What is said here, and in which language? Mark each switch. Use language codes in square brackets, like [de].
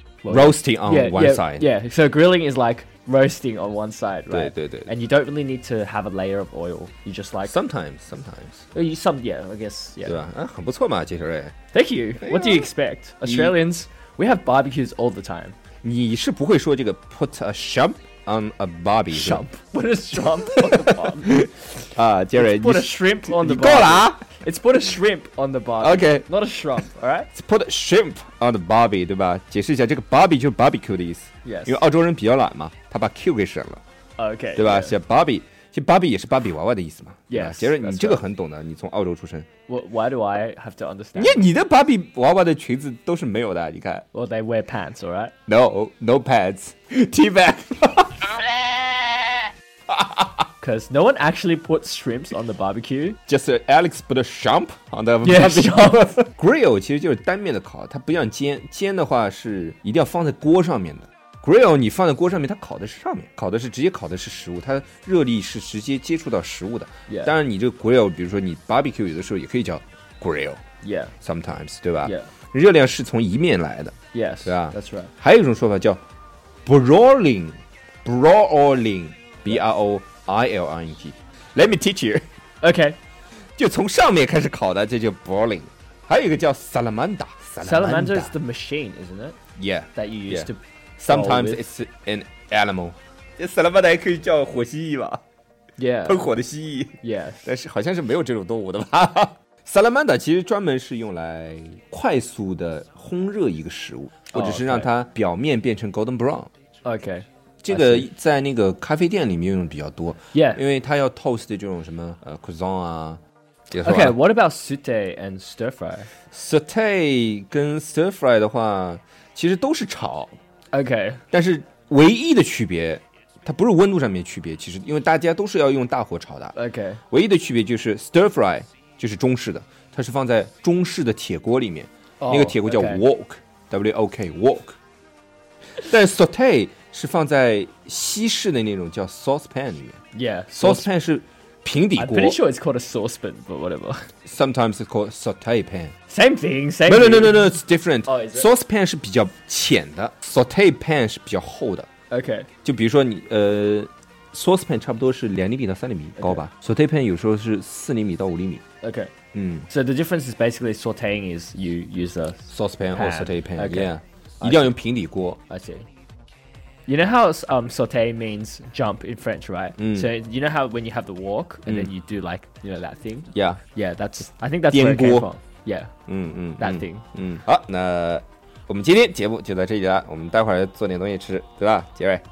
[en] Well, roasting on one side. Yeah, so grilling is like roasting on one side, right? [zh] 对对对。 [en] And you don't really need to have a layer of oil. You just like... Sometimes. Yeah, I guess. [zh] 对吧？很不错嘛，其实。 [en] Thank you. What do you expect? Australians, we have barbecues all the time. [zh] 你是不会说这个 [en] put a shrimp on a Bobby. Shrimp. Put a shrimp on the Bobby. Jerry, it's put a shrimp on the Bobby. It's put a shrimp on the Bobby. Okay. Not a shrimp, all right? It's put a shrimp on the Bobby, [zh] 对吧？解释一下，这个 Bobby 就是 barbecue 的意思。 [en] Yes. [zh] 因为澳洲人比较懒嘛，他把 Q 给省了。 [en] Okay. [zh] 对吧？写 Bobby， 其实 Bobby 也是芭比娃娃的意思嘛。 [en] Yes. [zh] 杰瑞，你这个很懂的，你从澳洲出生。 [en] Why do I have to understand? [zh] 你的芭比娃娃的裙子都是没有的，你看。 [en] Well, they wear pants, all right? No, no pants. T-bag. Because no one actually puts shrimps on the barbecue. Just Alex put a shrimp on the barbecue. Yes, [zh] grill 其实就是单面的烤，它不像煎。煎的话是一定要放在锅上面的。 Grill 你放在锅上面，它烤的是上面，烤的是直接烤的是食物，它热力是直接接触到食物的。 [en] Yeah. [zh] 当然你这个 grill， 比如说你 barbecue 有的时候也可以叫 grill. [en] Yeah. Sometimes, [zh] 对吧？ [en] Yeah. [zh] 热量是从一面来的。 [en] Yes. [zh] 对吧？ [en] That's right. [zh] 还有一种说法叫 broiling, broiling, B-R-O. [en] I-L-R-E-G. Let me teach you. Okay. [zh] 就从上面开始烤的，这就 boiling. 还有一个叫 salamander. [en] Salamander is the machine, isn't it? Yeah. That you use、 yeah. to... Sometimes it's an animal. [zh] Salamander 也可以叫火蜥蜴吧。 [en] Yeah. [zh] 喷火的蜥蜴。 [en] Yes. [zh] 但是好像是没有这种动物的吧。Salamander 其实专门是用来快速的烘热一个食物，或者是让它表面变成 [en] golden brown. Okay. [zh] 这个在那个咖啡店里面用的比较多、 [en] yeah. [zh] 因为它要 toast 的这种什么、croissant 啊 [en] OK, what about sauté and stir fry? [zh] Sauté 跟 stir fry 的话其实都是炒 [en] OK [zh] 但是唯一的区别它不是温度上面的区别其实因为大家都是要用大火炒的 [en] OK [zh] 唯一的区别就是 stir fry 就是中式的它是放在中式的铁锅里面、 [en] oh, [zh] 那个铁锅叫 wok、 [en] okay. [zh] W-O-K wok 但 sauté 是放在西式的那种叫 saucepan 里面 [en] Yeah [zh] Saucepan 是平底锅 [en] I'm pretty sure it's called a saucepan But whatever Sometimes it's called saute pan Same thing Same thing No It's different、 oh, is it? [zh] Saucepan 是比较浅的 Saute pan 是比较厚的 [en] OK [zh] 就比如说你Saucepan 差不多是2厘米到3厘米高吧、 [en] okay. [zh] Saute pan 有时候是4厘米到5厘米 [en] OK、 [zh] 嗯、 [en] So the difference is basically Sauteing is you use a Saucepan pan. or saute pan、 okay. [zh] Yeah 一定要用平底锅 [en] I see You know how sauté means jump in French, right?、 Mm. So you know how when you have the wok and、mm. then you do like, you know, that thing? Yeah. Yeah, that's, I think that's where it came from. Yeah, that thing. [zh] 好，那我们今天节目就到这里了。我们待会儿做点东西吃，对吧，杰瑞